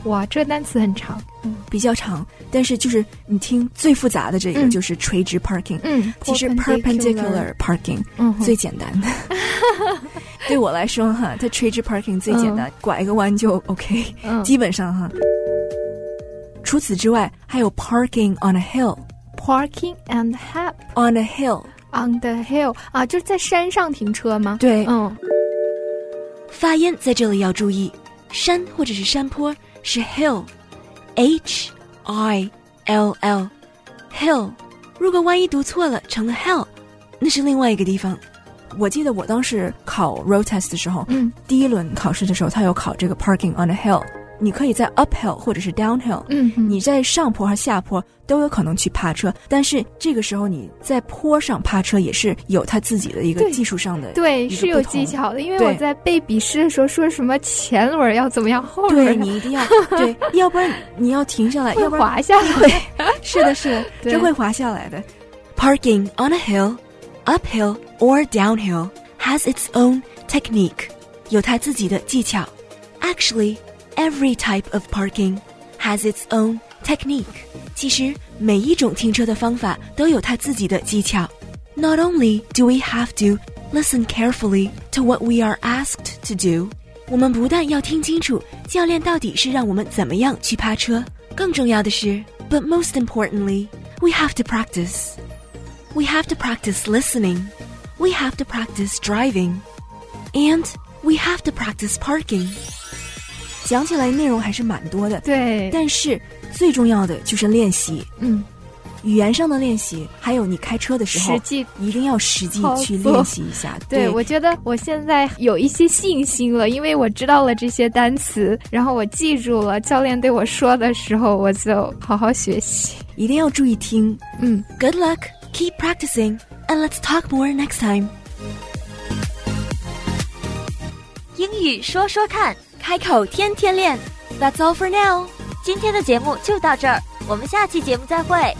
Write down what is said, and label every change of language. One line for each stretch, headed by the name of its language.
Chinese: 哇，这单词很长，比较长，但是就是你听最复杂的这个就是垂直 parking， 其实 perpendicular parking， 最简单的。对我来说哈，它垂直 parking 最简单、拐个弯就 OK、基本上哈。除此之外还有
English: parking on a hill， parking and hap on a hill， on the hill
Chinese: 啊，就是在山上停车吗？对、发音在这里要注意，山或者是山坡是 hill， H-I-L-L hill， 如果万一读错了成了 hell， 那是另外一个地方。我记得我当时考 road test 的时候，第一轮考试的时候，他有考这个
English: parking on a hill，
Chinese: 你可以在 uphill 或者是 downhill、嗯、你在上坡和下坡都有可能去趴车，但是这个时候你在坡上趴车也是有它自己的一个技术上的，对，是有技巧的，因为我在背笔试的时候说什么前轮要怎么样后轮，对，你一定要对，要不然你要停下来会滑下来，是的是的，这会滑下来的。
English: Parking on a hill, uphill or downhill has its own technique,
Chinese: 有它自己的技巧。
English: Actually,Every type of parking has its own technique.
Chinese: 其实每一种停车的方法都有它自己的技巧。
English: Not only do we have to listen carefully to what we are asked to do,
Chinese: 我们不但要听清楚教练到底是让我们怎么样去趴车，更重要的是
English: but most importantly, we have to practice. We have to practice listening. We have to practice driving. And we have to practice parking.
Chinese: 讲起来内容还是蛮多的，对，但是最重要的就是练习，嗯，语言上的练习，还有你开车的时候实际一定要实际去练习一下。对，我觉得我现在有一些信心了，因为我知道了这些单词，然后我记住了教练对我说的时候，我就好好学习，一定要注意听。嗯，
English: Good luck, keep practicing, and let's talk more next time.
Chinese: 英语说说看，开口天天练。
English: That's all for now.
Chinese: 今天的节目就到这儿，我们下期节目再会。